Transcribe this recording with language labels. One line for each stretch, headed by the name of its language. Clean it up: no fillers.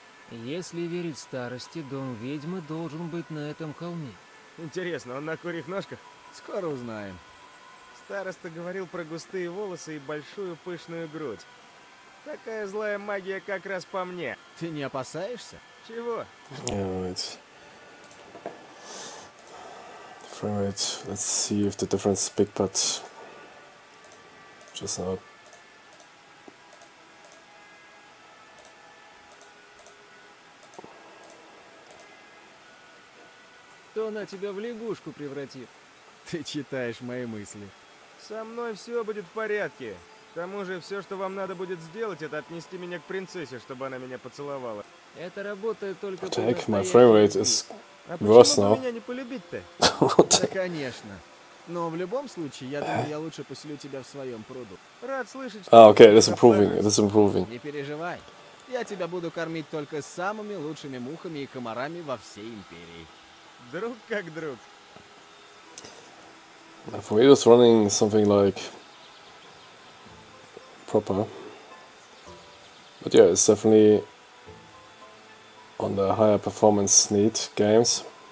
Russian: Если верить старости, дом ведьмы должен быть на этом холме. Интересно, он на курьих ножках? Скоро узнаем. Староста говорил про густые волосы и большую пышную грудь. Такая злая магия как раз по мне. Ты не опасаешься? Чего?
English: Alright, let's see if the difference is big, but just now.
Russian: Кто на тебя в лягушку превратит? Ты читаешь мои мысли. Со мной все будет в порядке. К тому же, все, что вам надо будет сделать, это отнести меня к принцессе, чтобы она меня поцеловала. Это работает только... Так,
English: my frame rate is worse now.
Russian: А почему меня не полюбить-то? Да, конечно. Но в любом случае, я думаю, я лучше поселю тебя в своем пруду. Рад слышать, что... Окей,
English: it's improving, it's improving.
Russian: Не переживай. Я тебя буду кормить только самыми лучшими мухами и комарами во всей империи. Друг как друг.
English: For me, it was running something like proper, but yeah, it's definitely on the higher performance need games.